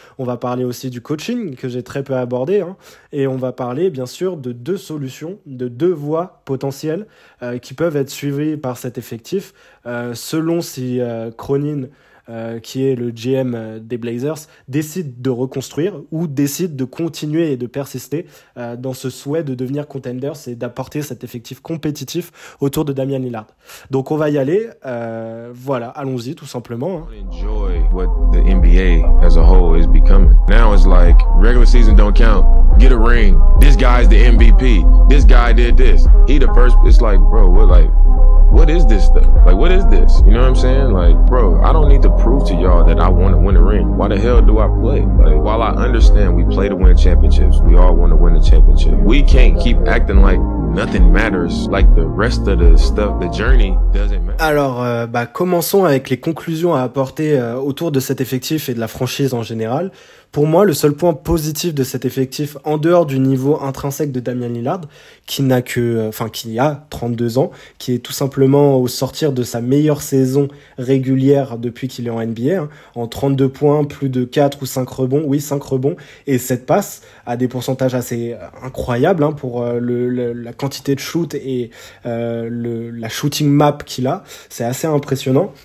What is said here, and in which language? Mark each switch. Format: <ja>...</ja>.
<fr>On va parler aussi du coaching, que j'ai très peu abordé, hein, et on va parler, bien sûr, de deux solutions, de deux voies potentielles qui peuvent être suivies par cet effectif, selon si Cronin, qui est le GM des Blazers, décide de reconstruire ou décide de continuer et de persister dans ce souhait de devenir contenders et d'apporter cet effectif compétitif autour de Damian Lillard. Donc on va y aller, voilà, allons-y tout simplement.</fr> <en>Enjoy what the NBA as a whole is becoming. Now it's like regular season don't count. Get a ring. This guy is the MVP. This guy did this. He the first. It's like, bro, what, like, what is this stuff? Like, what is this? You know what I'm saying? Like, bro, I don't need to prove to y'all that I want to win a ring. Why the hell do I play? Like, while I understand we play to win championships, we all want to win a championship. We can't keep acting like nothing matters, like the rest of the stuff, the journey doesn't matter.</en> <fr>Alors, commençons avec les conclusions à apporter autour de cet effectif et de la franchise en général. Pour moi, le seul point positif de cet effectif, en dehors du niveau intrinsèque de Damian Lillard, qui a 32 ans, qui est tout simplement au sortir de sa meilleure saison régulière depuis qu'il est en NBA, hein, en 32 points, plus de 4 ou 5 rebonds, oui, 5 rebonds, et 7 passes, à des pourcentages assez incroyables, hein, pour la quantité de shoot et la shooting map qu'il a, c'est assez impressionnant.</fr>